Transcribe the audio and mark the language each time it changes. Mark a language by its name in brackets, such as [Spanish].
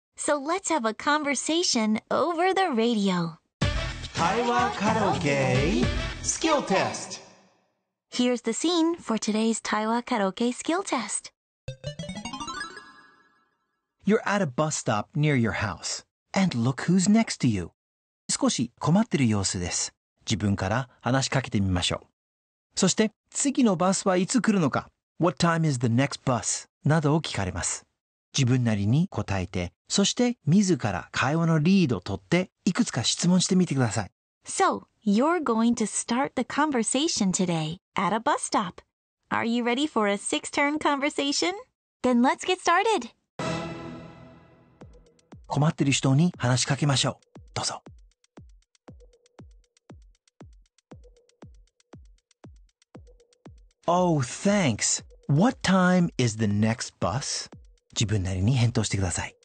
[English] So let's have a conversation over the radio. 対話カラオケ skill test. Here's the scene for today's [Japanese] 対話カラオケ [English] skill test. You're at a bus stop near your house. And look who's next to you. [Japanese] 少し困ってる様子です。自分から話しかけてみましょう。そして、次のバスはいつ来るのか? [English] What time is the next bus? [Japanese] などを聞かれます。自分なりに答えて、そして自ら会話のリードを取って、いくつか質問してみてください。 [English] So, you're going to start the conversation today at a bus stop. Are you ready for a six-turn conversation? Then let's get started! [Japanese] 困ってる人に話しかけましょう。どうぞ。 [English] Oh, thanks. What time is the next bus? [Japanese] 自分なりに返答してください。